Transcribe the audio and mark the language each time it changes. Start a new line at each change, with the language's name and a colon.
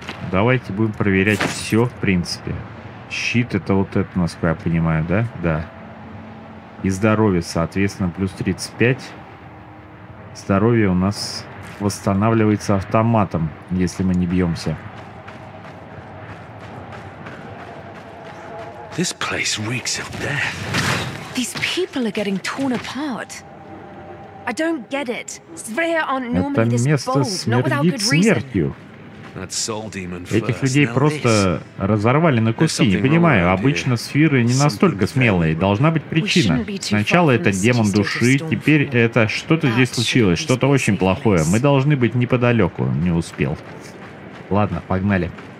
Russian: Давайте будем проверять все, в принципе. Щит это вот это, насколько я понимаю, да? Да. И здоровье, соответственно, плюс 35. Здоровье у нас восстанавливается автоматом, если мы не бьемся.
English: This place reeks of death. These people are getting torn apart. I don't get it. Svea aren't normally this bold, not without good reason. That soul demon first.
Russian: Этих людей просто разорвали на куски. Не понимаю. Обычно сферы не настолько смелые. Должна быть причина. Сначала это демон души, теперь это что-то здесь случилось, что-то очень плохое. Мы должны быть неподалеку. Не успел. Ладно, погнали.